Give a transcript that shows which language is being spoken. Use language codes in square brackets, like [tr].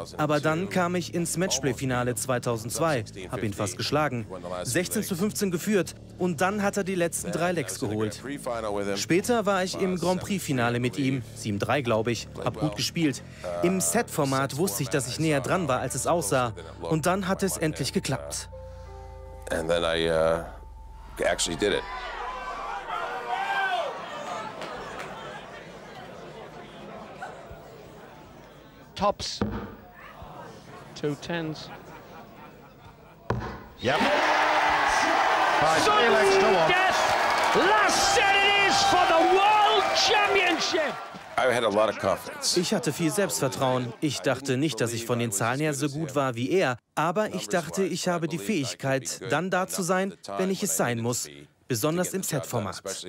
[de] Aber dann kam ich ins Matchplay-Finale 2002, habe ihn fast geschlagen. 16-15 geführt und dann hat er die letzten 3 Legs geholt. Später war ich im Grand Prix-Finale mit ihm, 7-3 glaube ich, habe gut gespielt. Im Set-Format wusste ich, dass ich näher dran war, als es aussah. Und dann hat es endlich geklappt. [en] And then I actually did it. Tops. Two tens. Yep. Sudden death. Last set it is for the world championship. I had a lot of confidence. [de] Ich hatte viel Selbstvertrauen. Ich dachte nicht, dass ich von den Zahlen her so gut war wie er. Aber ich dachte, ich habe die Fähigkeit, dann da zu sein, wenn ich es sein muss. Besonders im Set-Format.